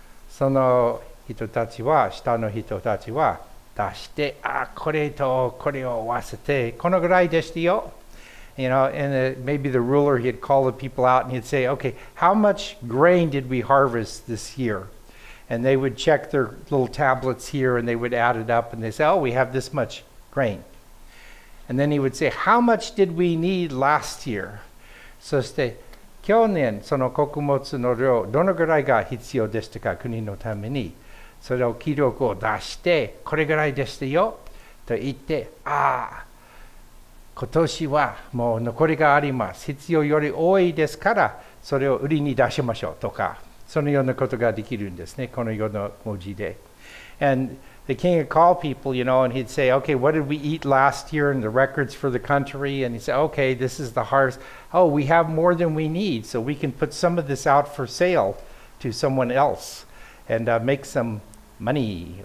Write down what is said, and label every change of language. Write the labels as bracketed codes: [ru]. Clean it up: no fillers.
[ja] その人たちは、下の人たちは出して、あ、これとこれを合わせてこのぐらいでしたよ。 [en] You know, and maybe the ruler, he'd call the people out and he'd say, okay, how much grain did we harvest this year? And they would check their little tablets here and they would add it up and they say, oh, we have this much grain. And then he would say, how much did we need last year? [ja] そして、去年その穀物の量、どのぐらいが必要でしたか、国のために。それを記録を出して、これぐらいでしたよ、と言って、ああ。今年はもう残りがあります。必要より多いですから、それを売りに出しましょうとか、そのようなことができるんですね、このような文字で。 [en] And the king would call people, you know, and he'd say, okay, what did we eat last year and the records for the country? And he'd say, okay, this is the harvest. Oh, we have more than we need, so we can put some of this out for sale to someone else and make some money.